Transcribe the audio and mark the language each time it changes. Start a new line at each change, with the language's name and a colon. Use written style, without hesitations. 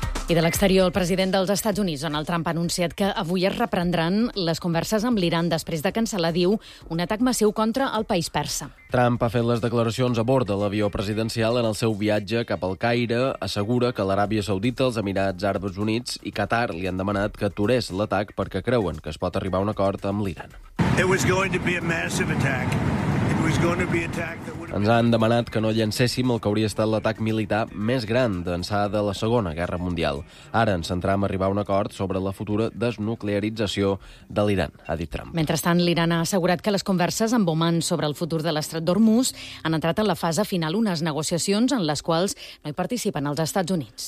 Catalan: I de l'exterior, el president dels Estats Units, Donald Trump, ha anunciat que avui es reprendran les converses amb l'Iran després de cancel·lar, diu, un atac massiu contra el país persa. Trump ha fet les declaracions a bord de l'avió presidencial en el seu viatge cap al Caire, assegura que l'Aràbia Saudita, els Emirats Àrabs Units i Qatar li han demanat que aturés l'atac perquè creuen que es pot arribar a un acord amb l'Iran.
English: It was going to be a massive attack.
Catalan: Ens han demanat que no llancéssim el que hauria estat l'atac militar més gran d'ençà de la Segona Guerra Mundial. Ara ens centrem a arribar a un acord sobre la futura desnuclearització de l'Iran, ha dit Trump. Mentrestant, l'Iran ha assegurat que les converses amb Oman sobre el futur de l'estret d'Hormuz han entrat en la fase final, unes negociacions en les quals no hi participen els Estats Units.